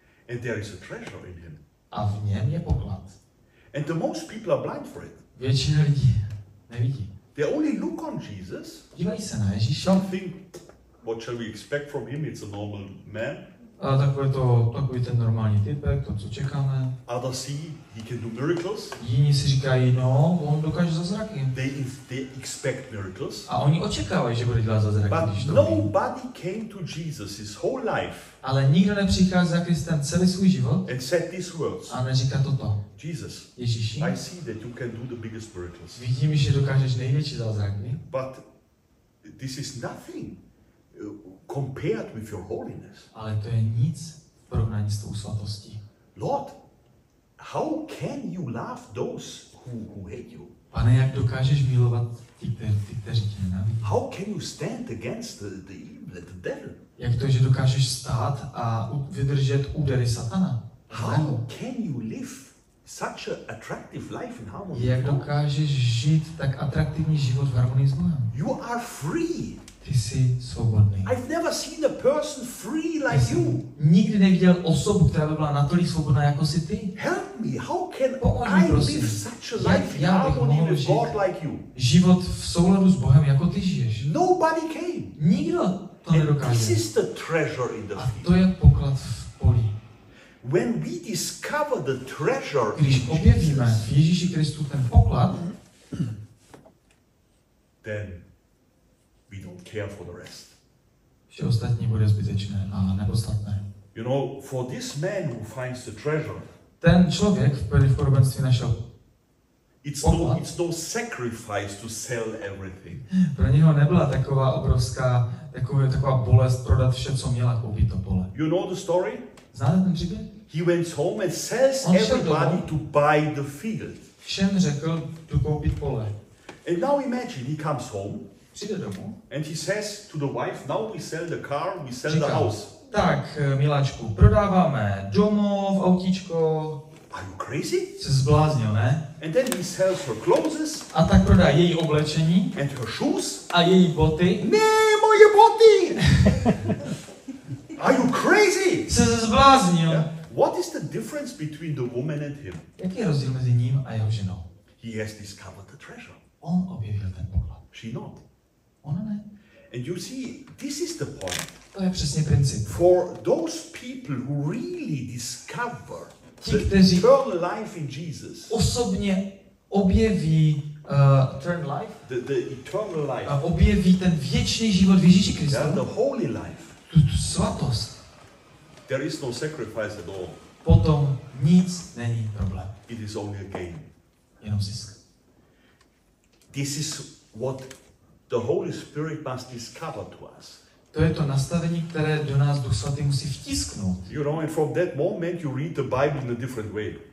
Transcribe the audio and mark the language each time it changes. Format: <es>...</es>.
<en>And there is a treasure in him.</en> <cs>A v něm je poklad.</cs> <en>And the most people are blind for it.</en> <cs>Většina lidí nevidí.</cs> <en>They only look on Jesus.</en> <cs>Dívají se na Ježíše.</cs> <en>Something, what shall we expect from him? It's a normal man.</en> <cs>A takový to, takový ten normální typek, to co čekáme.</cs> <en>Others see he can do miracles.</en> <cs>Jiní si říkají, no, on dokáže zázraky.</cs> <en>They expect miracles.</en> <cs>A oni očekávají, že bude dělat zázraky.</cs> <en>But nobody came to Jesus his whole life.</en> <cs>Ale nikdo nepřichází za Kristem celý svůj život.</cs> <en>And said these words.</en> <cs>A neříká toto.</cs> <en>Jesus.</en> <cs>Ježíši.</cs> <en>I see that you can do the biggest miracles.</en> <cs>Vidím, že dokážeš největší zázraky.</cs> <en>But this is nothing compared with your holiness.</en> <cs>Ale to je nic v porovnání s tou svatostí.</cs> <en>Lord, how can you love those who hate you?</en> <cs>Pane, jak dokážeš milovat ty, kteří tě nenávidí?</cs> <en>How can you stand against the evil, the devil?</en> <cs>Jak to, že dokážeš stát a vydržet údery Satana?</cs> <en>How can you live such an attractive life in harmony?</en> <cs>Jak dokážeš žít tak atraktivní život v harmonii s Bohem?</cs> <en>You are free.</en> <cs>Ty jsi svobodný.</cs> <en>I've never seen a person free like you.</en> <cs>Nikdy neviděl osobu, která by byla natolik svobodná jako si ty.</cs> <en>Help me. How can I live such a life in harmony with God like you?</en> <cs>Život v souladu s Bohem jako ty žiješ.</cs> <en>Nobody came.</en> <cs>Nikdo to nedokáže.</cs> <en>This is the treasure in the field.</en> <cs>A to je poklad v poli.</cs> <en>When we discover the treasure,</en> <cs>když objevíme v Ježíši Kristu ten poklad,</cs> <en>then we don't care for the rest.</en> <cs>Vše ostatní bude zbytečné a nepodstatné.</cs> <en>You know, for this man who finds the treasure,</en> <cs>ten člověk v podobenství našel poklad.</cs> <en>It's no sacrifice to sell everything.</en> <cs>Pro něho nebyla taková obrovská, taková bolest prodat vše, co měl, koupit to pole.</cs> <en>You know the story?</en> <cs>Znáte ten příběh?</cs> <en>He went home and sells everybody to buy the field.</en> <cs>Všem řekl, jdu koupit pole.</cs> <en>And now imagine, he comes home.</en> <cs>Přijde domů.</cs> <en>And he says to the wife, now we sell the car, we sell the house.</en> <cs>Tak, miláčku, prodáváme domov, autíčko.</cs> <en>Are you crazy?</en> <cs>Jsi zbláznil, ne?</cs> <en>And then he sells her clothes.</en> <cs>A tak prodá její oblečení.</cs> <en>And her shoes.</en> <cs>A její boty. Ne, moje boty!</cs> <en>Are you crazy?</en> <cs>Jsi zbláznil. Yeah.</cs> <en>What is the difference between the woman and him?</en> <cs>Jaký je rozdíl mezi ním a jeho ženou?</cs> <en>He has discovered the treasure.</en> <cs>On objevil ten poklad.</cs> <en>She not.</en> <cs>Ona ne.</cs> <en>And you see, this is the point.</en> <cs>To je přesně princip.</cs> <en>For those people who really discover the eternal life in Jesus.</en> <cs>Osobně objeví</cs> <en>the eternal life.</en> <cs>A objeví ten věčný život v Ježíši Kristu.</cs> <en>The holy life.</en> <cs>Tu svatost.</cs> <en>There is no sacrifice at all.</en> <cs>Potom nic není problém.</cs> <en>It is only a gain.</en> <cs>Jenom zisk.</cs> <en>This is what the Holy Spirit must discover to us.</en> <cs>To je to nastavení, které do nás Duch Svatý musí vtisknout.</cs> <en>You know, and from that moment you read the Bible in a different way.</en>